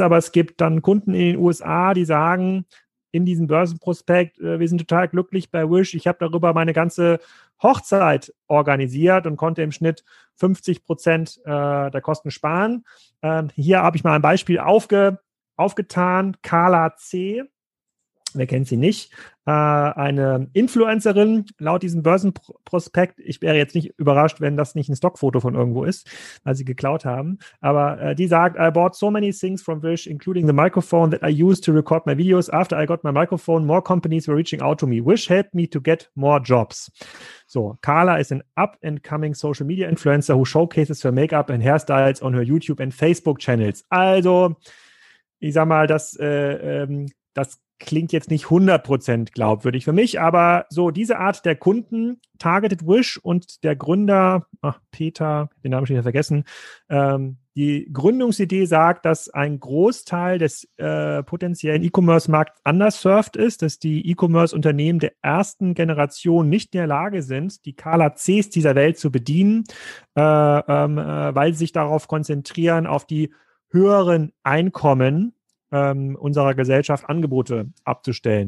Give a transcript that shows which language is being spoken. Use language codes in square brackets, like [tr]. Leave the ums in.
[de] Aber es gibt dann Kunden in den USA, die sagen in diesem Börsenprospekt, wir sind total glücklich bei Wish, ich habe darüber meine ganze Hochzeit organisiert und konnte im Schnitt 50 Prozent der Kosten sparen. hier habe ich mal ein Beispiel aufge, aufgetan, Carla C. Wer kennt sie nicht? Uh, eine Influencerin laut diesem Börsenprospekt. Ich wäre jetzt nicht überrascht, wenn das nicht ein Stockfoto von irgendwo ist, weil sie geklaut haben. Aber uh, die sagt, [en] I bought so many things from Wish, including the microphone that I used to record my videos. After I got my microphone, more companies were reaching out to me. Wish helped me to get more jobs. So, Carla is an up-and-coming Social Media Influencer, who showcases her makeup and Hairstyles on her YouTube and Facebook Channels. [de] Also, ich sag mal, dass äh, das klingt jetzt nicht 100% glaubwürdig für mich, aber so diese Art der Kunden, Targeted Wish und der Gründer, ach Peter, den Namen habe wieder vergessen, ähm, die Gründungsidee sagt, dass ein Großteil des äh, potenziellen E-Commerce-Markts anders surft ist, dass die E-Commerce-Unternehmen der ersten Generation nicht in der Lage sind, die Kala Cs dieser Welt zu bedienen, äh, äh, weil sie sich darauf konzentrieren, auf die höheren Einkommen, ähm, unserer Gesellschaft Angebote abzustellen.